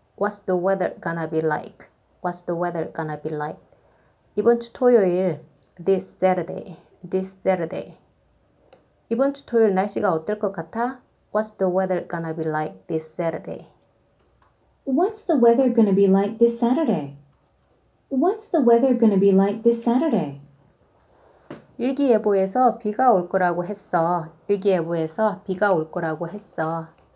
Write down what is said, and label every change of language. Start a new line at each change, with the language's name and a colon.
English: What's the weather gonna be like? What's the weather gonna be like?
Korean: 이번 주 토요일,
English: this Saturday.
Korean: 이번 주 토요일 날씨가 어떨 것 같아?
English: What's the weather gonna be like this Saturday? What's the weather going to be like this Saturday? What's the weather going to be like this Saturday?
Korean: 일기예보에서 비가 올 거라고 했어. 일기예보에서 비가 올 거라고 했어.